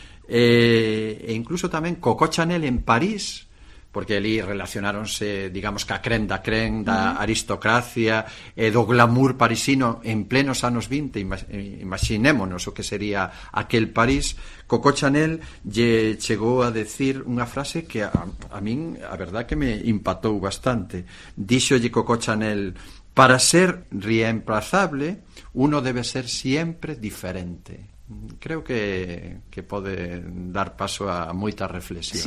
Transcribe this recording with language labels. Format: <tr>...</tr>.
<gl>E incluso tamén Coco Chanel en París, porque ali relacionáronse, digamos, ca crem da aristocracia e do glamour parisino en plenos anos 20, imaginémonos o que sería aquel París. Coco Chanel lle chegou a decir unha frase que a min, a verdad, que me impactou bastante.</gl> <es>Díxolle Coco Chanel: para ser reemplazable, uno debe ser siempre diferente.</es> <gl>Creo que pode dar paso a moitas reflexións.</gl>